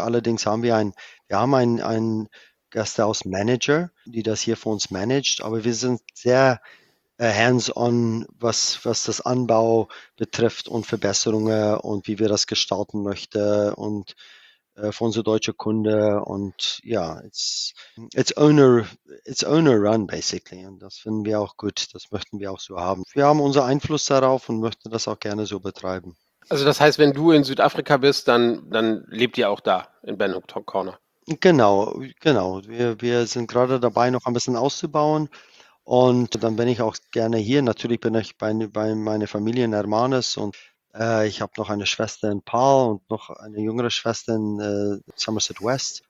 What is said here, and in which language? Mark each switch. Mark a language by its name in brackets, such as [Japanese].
[German] Allerdings haben wir haben ein Gästehaus Manager, die das hier für uns managt. Aber wir sind sehr hands-on, was das Anbau betrifft und Verbesserungen und wie wir das gestalten möchten und für unsere deutsche Kunde. Und ja, [English] it's owner run basically. [German] Und das finden wir auch gut. Das möchten wir auch so haben. Wir haben unseren Einfluss darauf und möchten das auch gerne so betreiben. Also das heißt, wenn du in Südafrika bist, dann lebt ihr auch da in Ben Hook Corner. Genau. Wir sind gerade dabei, noch ein bisschen auszubauen. Und dann bin ich auch gerne hier. Natürlich bin ich bei meiner Familie in Hermanus und ich habe noch eine Schwester in Paul und noch eine jüngere Schwester in Somerset West.